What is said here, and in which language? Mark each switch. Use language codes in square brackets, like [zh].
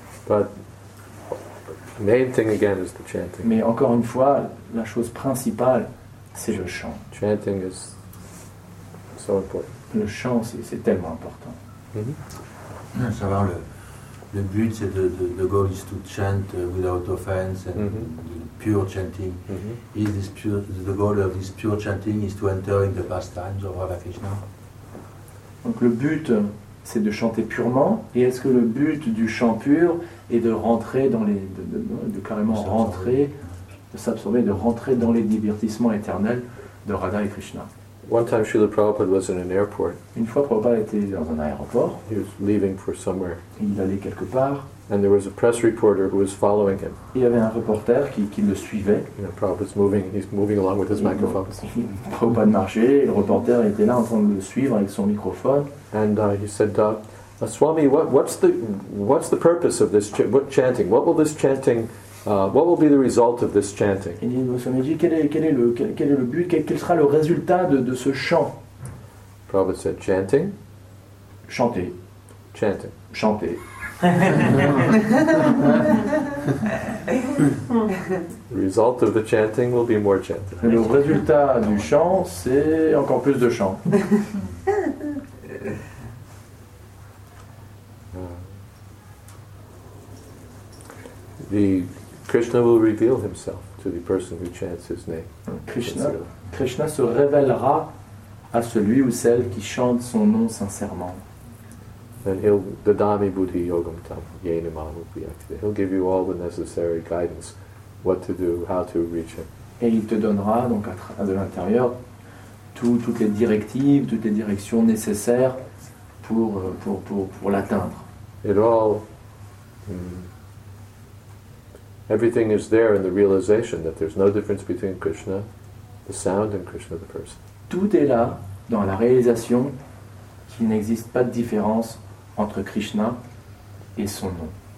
[en] But the main thing again is the chanting. [fr] Mais encore une fois, la chose principale, c'est le chant. [en] Chanting is so important. [fr] Le chant, c'est tellement important. [en] Mm-hmm. [fr] Savoir le but, c'est [en] the goal is to chant without offense and pure chanting. Mm-hmm. Is this pure? The goal of this pure chanting is to enter in the pastimes of Radha Krishna. [fr] Donc le but, c'est de chanter purement. Et est-ce que le but du chant pur est de rentrer dans les, de carrément rentrer, de s'absorber, de rentrer dans les divertissements éternels de Radha et Krishna? [en] One time Srila Prabhupada was in an airport. [fr] Une fois, Prabhupada était dans un aéroport. [en] He was leaving for somewhere. [fr] Il allait quelque part. [en] And there was a press reporter who was following him. [fr] Il y avait un reporter qui le suivait. [en] You know, Prabhupada's moving, he's moving along with his microphone. [fr] Prabhupada marchait, le reporter était là en train de le suivre avec son microphone. [en] And he said, Swami, what's the purpose of this chanting? What will this chanting what will be the result of this chanting? [fr] Il dit, Swamiji, quel est le but? Quel sera le résultat de ce chant? [en] Prabhupada said, chanting. [fr] Chanter. [en] Chanting. [fr] Chanter. [en] The result of the chanting will be more chanting. [fr] Le résultat du chant, c'est encore plus de chant. [en] The Krishna will reveal himself to the person who chants his name. [fr] Krishna se révélera à celui ou celle qui chante son nom sincèrement. [en] And he'll [sa] dadami buddhi yogam tam yenamam upriyakti. [en] He'll give you all the necessary guidance, what to do, how to reach him. [fr] Et il te donnera donc de l'intérieur toutes les directives, toutes les directions nécessaires pour l'atteindre. [en] It all. Everything is there in the realization that there's no difference between Krishna, the sound, and Krishna, the person. [fr] Tout est là dans la réalisation qu'il n'existe pas de différence entre Krishna et son nom.